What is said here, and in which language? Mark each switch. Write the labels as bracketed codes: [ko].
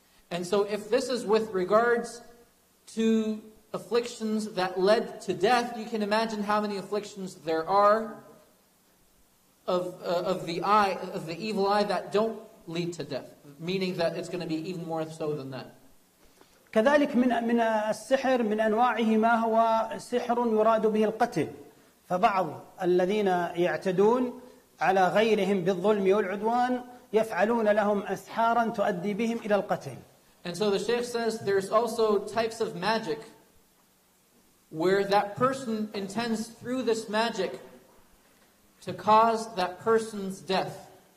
[en] And so if this is with regards to afflictions that led to death, you can imagine how many afflictions there are of the eye, of the evil eye that don't lead to death, meaning that it's going to be even more so than that. [ar] كذلك من السحر من أنواعه ما هو سحر يراد به القتل. فبعض الذين يعتدون على غيرهم بالظلم والعدوان يفعلون لهم أسحارا تؤدي بهم إلى القتل. [en] And so the Sheikh says there's also types of magic where that person intends through this magic to cause that person's death.